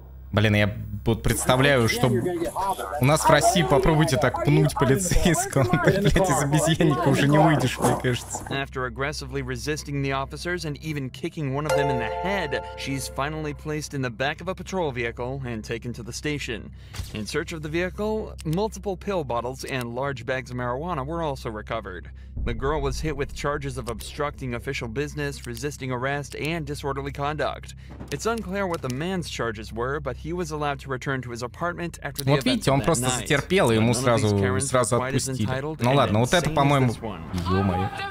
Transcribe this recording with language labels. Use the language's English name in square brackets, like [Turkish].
[Russian] Блин, я вот представляю, что у нас в России попробуйте так пнуть полицейского. Ты, блядь, из обезьянника уже не выйдешь, мне кажется. [English] After aggressively resisting the officers and even kicking one of them in the head, she's finally placed in the back of a patrol vehicle and taken to the station. In search of the vehicle, multiple pill bottles and large bags of marijuana were also recovered. The girl was hit with charges of obstructing official business, resisting arrest, and disorderly conduct. It's unclear what the man's charges were, but he was allowed to return to his apartment after the event. [Russian] Вот видите, он просто затерпел, и ему сразу отпустили. Ну ладно, вот это, по-моему, ё-моё.